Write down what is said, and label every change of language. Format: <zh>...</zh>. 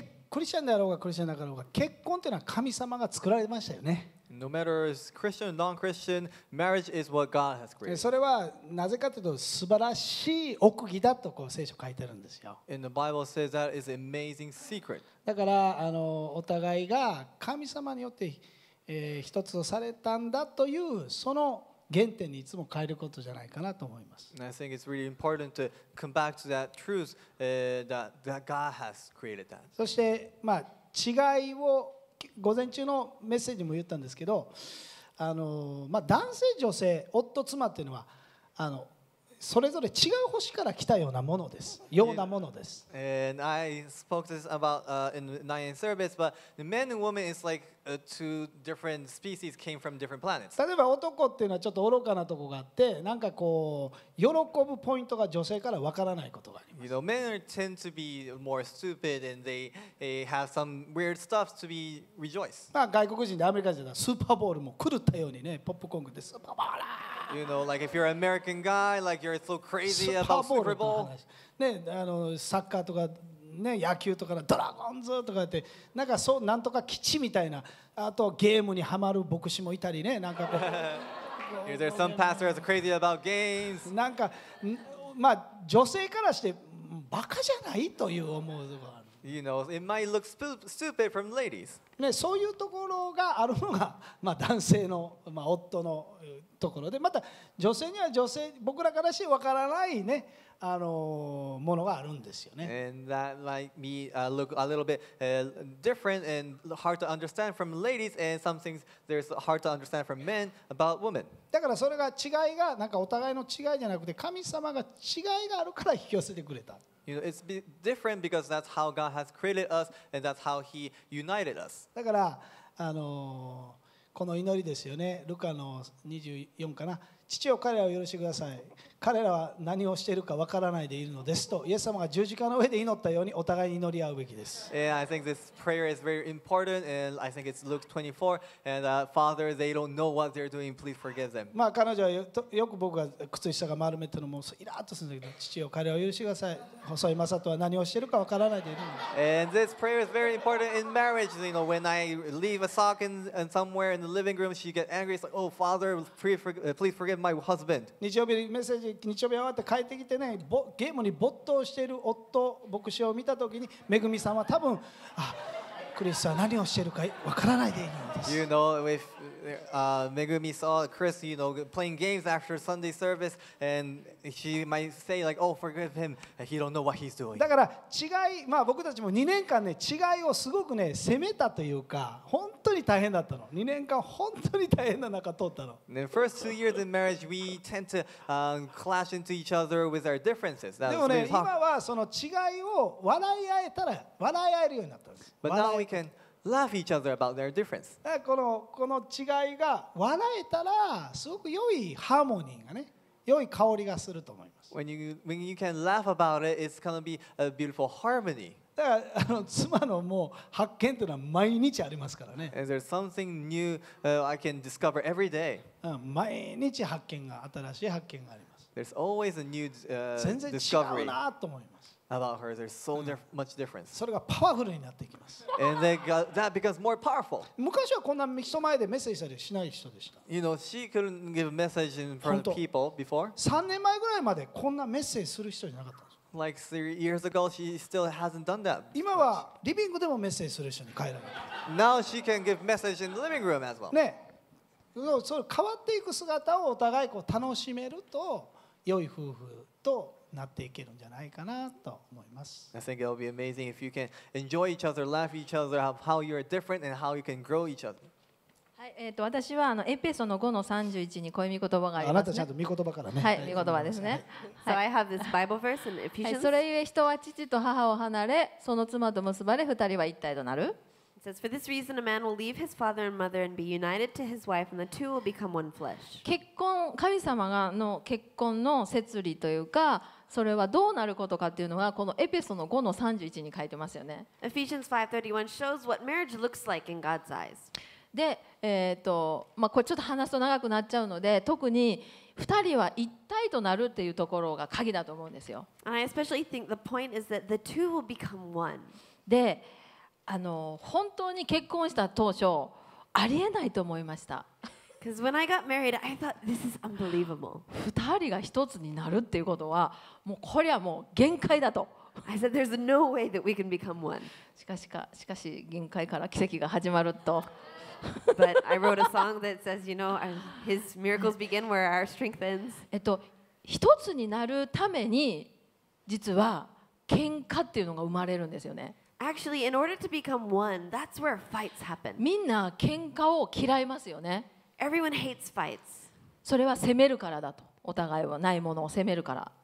<ja>クリスチャンであろうがクリスチャンだろうが、結婚というのは神様が作られましたよね。</ja> <en>No matter is Christian or non-Christian, marriage is what God has created.</en> <ja>それはなぜかというと素晴らしい奥義だとこう聖書書いてるんですよ。</ja> <en>And the Bible says that is an amazing secret.</en> <ja>だからお互いが神様によって、一つとされたんだというその原点にいつも変えることじゃないかなと思います。</ja> <en>And I think it's really important to come back to that truth, that God has created that.</en> <ja>そして、違いを午前中のメッセージも言ったんですけど、男性女性夫妻っていうのはそれぞれ違う星から来たようなものです。ようなものです。</ja> <en>And I spoke this about in the 9th service, but the man and woman is like two different species came from different planets.</en> <ja>例えば男っていうのはちょっと愚かなとこがあって、なんかこう喜ぶポイントが女性からわからないことがあります。</ja> <en>You know, men tend to be more stupid and they have some weird stuff to be rejoiced.</en> <ja>まあ外国人でアメリカ人だ、スーパーボールも狂ったようにね、ポップコーンでスーパーボール。 You know, like if you're an American guy, like you're so crazy about Super Bowl. ね、サッカーとかね、野球とかドラゴンズとかって、なんかそうなんとか基地みたいな、あとゲームにハマる牧師もいたりね、なんかこう。</ja> <en>There's some pastor that's crazy about games.</en> <ja>なんか、女性からしてバカじゃないという思うところ。</ja> <en>You know, it might look stupid from ladies.</en> <ja>ね、そういうところがあるのが、男性の、夫のところで、また女性には女性、僕らからして分からないね、ものがあるんですよね。</ja> <en>And that might be, look a little bit, different and hard to understand from ladies, and some things there's hard to understand from men about women.</en> <ja>だからそれが違いが、なんかお互いの違いじゃなくて、神様が違いがあるから引き寄せてくれた。</ja> <en>You know, it's different because that's how God has created us and that's how He united us.</en> <ja>だから、この祈りですよね。ルカの24かな。父よ、彼らを許してください。彼らは何をしているかわからないでいるのですと、イエス様が十字架の上で祈ったようにお互いに祈り合うべきです。</ja> <en>And I think this prayer is very important, and I think it's Luke 24. And Father, they don't know what they're doing. Please forgive them.</en> <ja>まあ彼女はよく僕が靴下が丸めてるのもイラッとするんだけど、父よ彼を許しください。細井正人は何をしているかわからないでいるの。</ja> <en>And this prayer is very important in marriage. You know, when I leave a sock in and somewhere in the living room, she gets angry. It's like, oh, Father, please forgive my husband.</en> <ja>日曜日メッセージ日曜日終わって帰ってきてね、ゲームに没頭している夫牧師を見たときに、めぐみさんは多分、あ、クリスは何をしているかわからないでいるんです。</ja> <en>You know, if Megumi saw Chris, you know, playing games after Sunday service, and she might say like, "Oh, forgive him. He don't know what he's doing."</en> <ja>だから違い、まあ僕たちも2年間ね、違いをすごくね、責めたというか、本当に大変だったの。 2年間本当に大変な中通ったの。</ja> <en>The first 2 years in marriage, we tend to clash into each other with our differences. でもね、今はその違いを笑い合えたら、笑い合えるようになったんです。 But now we can. Laugh each other about their difference.</en> <ja>この違いが笑えたらすごく良いハーモニーがね、良い香りがすると思います。</ja> <en>When you can laugh about it, it's gonna be a beautiful harmony.</en> <ja>だから妻のもう発見というのは毎日ありますからね。</ja> <en>And there's something new I can discover every day.</en> <ja>毎日発見が、新しい発見があります。</ja> <en>There's always a new discovery.</en> <ja>全然違うなと思います。</ja> <en>About her, there's so much difference.</en> <ja>それがパワフルになっていきます。</ja> <en>And then that becomes more powerful.</en> <ja>昔はこんな人前でメッセージしたりしない人でした。</ja> <en>You know, she couldn't give a message in front of people before.</en> <ja>3年前ぐらいまでこんなメッセージする人じゃなかったんです。</ja> <en>Like 3 years ago, she still hasn't done that.</en> <ja>今はリビングでもメッセージする人に変えられた。</ja> <en>Now she can give message in the living room as well.</en> <ja>ね、その変わっていく姿をお互いこう楽しめると良い夫婦と。なっていけるんじゃないかなと思います。</ja> <en>I think it'll be amazing if you can enjoy each other, laugh each other, how you are different and how you can grow each other.</en> <ja>はい、私はエペソの 5-31 にこういう御言葉があります、ね。あなたちゃんと御言葉からね。はい、御言葉ですね。はい、</ja> <en>so I have this Bible verse in Ephesians.</en> <ja>はい、それゆえ人は父と母を離れ、その妻と結ばれ、二人は一体となる。</ja> <en>It says, for this reason, a man will leave his father and mother and be united to his wife, and the two will become one flesh.</en> <ja>結婚、神様の結婚の摂理というか、それはどうなることかっていうのがこのエペソの 5-31 に書いてますよね。</ja> <en>Ephesians 5:31 shows what marriage looks like in God's eyes.</en> <ja>で、まあ、これちょっと話すと長くなっちゃうので、特に2人は一体となるっていうところが鍵だと思うんですよ。</ja> <en>And I especially think the point is that the two will become one.</en> <ja>で、本当に結婚した当初ありえないと思いました。</ja> <en>Because when I got married, I thought this is unbelievable.</en> <ja>二人が一つになるっていうことは、もうこれはもう限界だと。</ja> <en>I said there's no way that we can become one.</en> <ja>しかし限界から奇跡が始まると。</ja> <en>But I wrote a song that says, you know, his miracles begin where our strength ends.</en> <ja>一つになるために実は喧嘩っていうのが生まれるんですよね。</ja> <en>Actually, in order to become one, that's where fights happen.</en> <ja>みんな喧嘩を嫌いますよね。</ja> <en>Everyone hates fights.</en> <ja>それは責めるからだと。お互いはないものを責めるから。</ja>